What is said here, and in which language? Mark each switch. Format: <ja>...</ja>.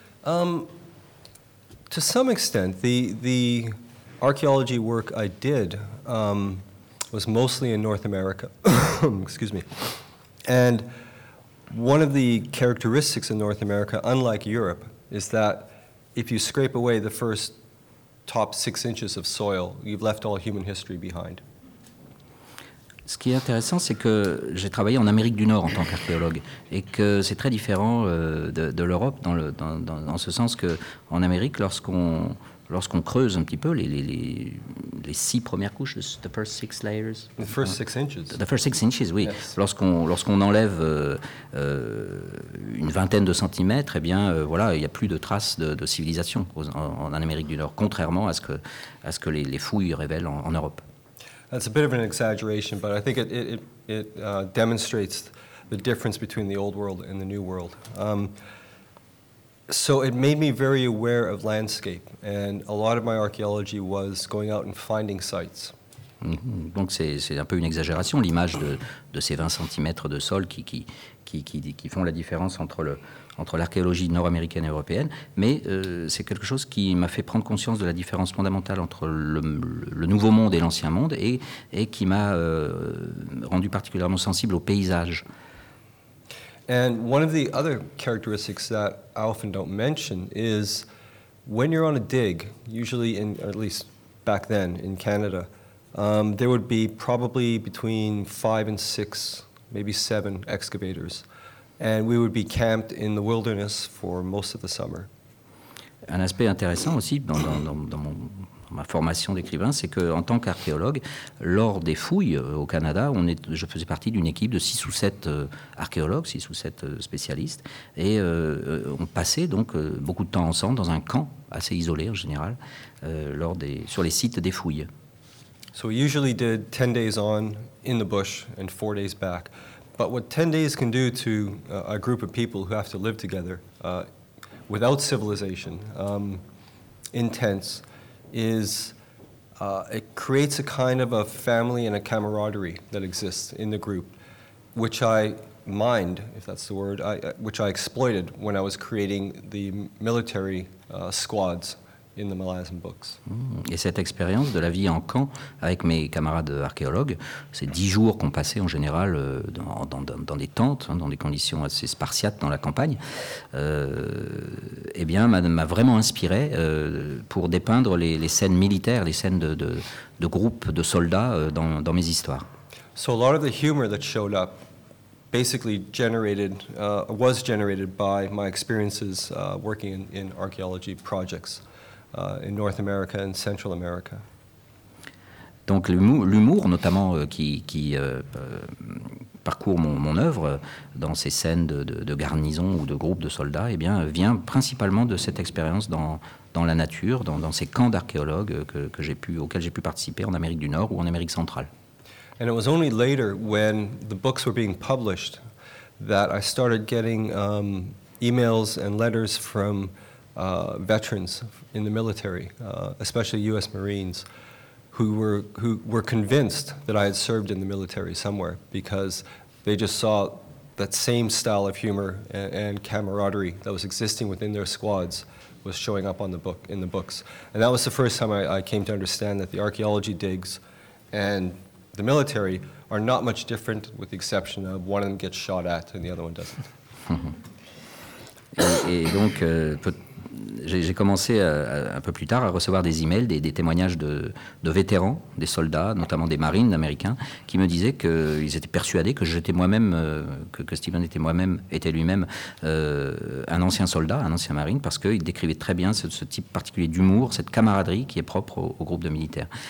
<en>To some extent, the archaeology work I did was mostly in North America. Excuse me. And one of the characteristics of North America, unlike Europe, is that if you scrape away the first top 6 inches of soil, you've left all human history behind.</en> <fr>Ce qui est intéressant, c'est que j'ai travaillé en Amérique du Nord en tant qu'archéologue, et que c'est très différent de l'Europe dans ce sens que en Amérique, lorsqu'on creuse un petit peu les six premières couches,</fr> <en>the first six layers, the first 6 inches, the first 6 inches, oui. Yes.</en> <fr>Lorsqu'on enlève une vingtaine de centimètres, eh bien voilà, il n'y a plus de traces de civilisation en Amérique du Nord, contrairement à ce que les fouilles révèlent en Europe.</fr> <en>That's a bit of an exaggeration, but I think it demonstrates the difference between the old world and the new world. So it made me very aware of landscape, and a lot of my archaeology was going out and finding sites.</en> <fr>Donc c'est un peu une exagération, l'image de ces 20 centimètres de sol qui font la différence entre l'archéologie nord-américaine et européenne, mais c'est quelque chose qui m'a fait prendre conscience de la différence fondamentale entre le nouveau monde et l'ancien monde, et qui m'a rendu particulièrement sensible au paysage.</fr> <en>And one of the other characteristics that I often don't mention is when you're on a dig, usually in, at least back then in Canada, there would be probably between 5 and 6, maybe 7 excavators. And we would be camped in the wilderness for most of the summer.</en> <fr>Un aspect intéressant aussi dans ma formation d'écrivain, c'est qu'en tant qu'archéologue, lors des fouilles au Canada, je faisais partie d'une équipe de 6 ou 7 archéologues, 6 ou 7 spécialistes, et on passait donc beaucoup de temps ensemble dans un camp assez isolé en général, sur les sites des fouilles.</fr> <en>So we usually did 10 days on in the bush and 4 days back. But what 10 days can do to a group of people who have to live together without civilization, in tents, is it creates a kind of a family and a camaraderie that exists in the group, which I mined, if that's the word, which I exploited when I was creating the military squads in the Melazen books.</en> <fr>Et cette expérience de la vie en camp avec mes camarades archéologues, ces 10 jours qu'on passait en général dans des tentes, dans des conditions assez spartiates dans la campagne, eh bien, m'a vraiment inspiré pour dépeindre les scènes militaires, les scènes de groupes de soldats dans mes histoires.</fr> <en>So a lot of the humor that showed up basically was generated by my experiences working in archaeology projects. In North America and Central America.</en> <fr>Donc l'humour notamment qui parcourt mon œuvre dans ces scènes de garnison ou de groupes de soldats, eh bien, vient principalement de cette expérience dans la nature, dans ces camps d'archéologues auxquels j'ai pu participer en Amérique du Nord ou en Amérique centrale.</fr> <en>And it was only later, when the books were being published, that I started getting emails and letters from veterans in the military, especially U.S. Marines, who were convinced that I had served in the military somewhere, because They just saw that same style of humor and camaraderie that was existing within their squads was showing up on the book in the books. And that was the first time I came to understand that the archaeology digs and the military are not much different, with the exception of one of them gets shot at and the other one doesn't.</en> <fr>Et donc, j'ai commencé un peu plus tard à recevoir des emails, des témoignages de vétérans, des soldats, notamment des marines américains, qui me disaient qu'ils étaient persuadés que j'étais moi-même, que Stephen était lui-même un ancien soldat, un ancien marine, parce qu'il décrivait très bien ce type particulier d'humour, cette camaraderie qui est propre au groupe de militaires.</fr>